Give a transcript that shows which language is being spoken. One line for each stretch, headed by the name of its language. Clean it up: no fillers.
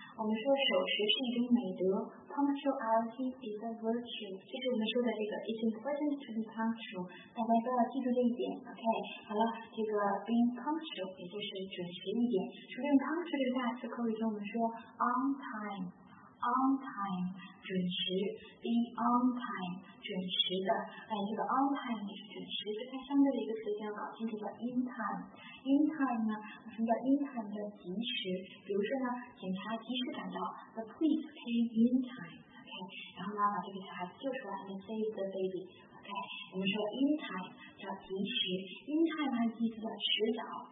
Chinese: 我们说守时是一种美德。
English: Punctuality is a virtue.
Chinese: 这是我们说的这个
English: It's important to be punctual.
Chinese: 大家都要记住这一点 ，OK？ 好了，这个
English: being punctual
Chinese: 也就是准时一点。除了 punctual 这个大词口语中，我们说
English: on time，
Chinese: on time 准时
English: be on time
Chinese: 准时的哎，这个 on time 也是准时的它相对的一个词叫搞清楚叫
English: in time in time
Chinese: 呢什么叫 in time 叫及时比如说呢警察及时赶到
English: the police came in time
Chinese: OK 然后呢把这个小孩子救出来
English: and save the baby
Chinese: OK 我们说 in time 叫及时 in time 它意思叫迟早